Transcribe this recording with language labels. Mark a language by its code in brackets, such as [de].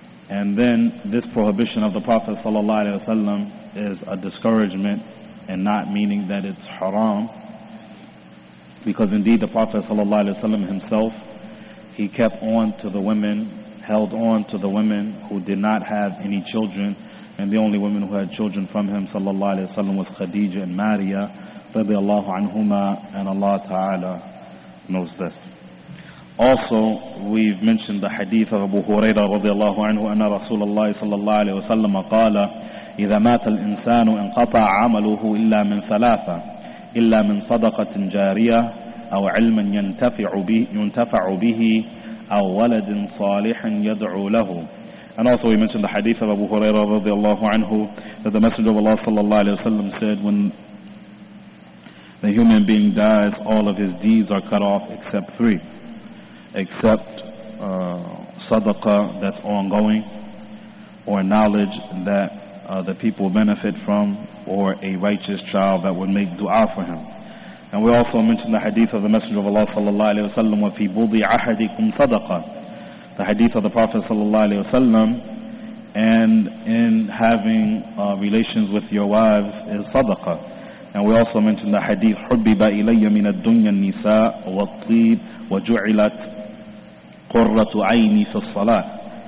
[en] And then this prohibition of the Prophet ﷺ is a discouragement, and not meaning that it's haram, because indeed the Prophet ﷺ himself, he kept on to the women, held on to the women who did not have any children, and the only women who had children from him ﷺ was Khadija and Maria radiallahu anhuma, and Allah Ta'ala knows this. Also, we've mentioned the hadith of Abu Hurairah [ar] radiallahu anhu, anna Rasulullah sallallahu alayhi wa sallam qala, إذا مات الإنسان انقطع عمله إلا من ثلاثة إلا من صدقة جارية أو علم ينتفع به أو ولد صالح يدعو له. [en] And also we mentioned the hadith of Abu Hurairah radiallahu anhu, that the Messenger of Allah sallallahu alayhi wa sallam said, when the human being dies, all of his deeds are cut off except three. Except sadaqah, that's ongoing, or knowledge that the people benefit from, or a righteous child that would make dua for him. And we also mentioned the hadith of the Messenger of Allah sallallahu alayhi wa sallam, [ar] وَفِي بُضِي عَحَدِكُمْ صَدَقَةً. [en] The hadith of the Prophet sallallahu alayhi wa sallam, and in having relations with your wives is sadaqah. And we also mentioned the hadith, [ar] حُبِّبَ إِلَيَّ مِنَ الدُّنْيَا النِّسَاءُ وَالطِّيبُ وَجُعِلَتْ قُرَّةُ عَيْنِي فِي الصَّلَاةِ.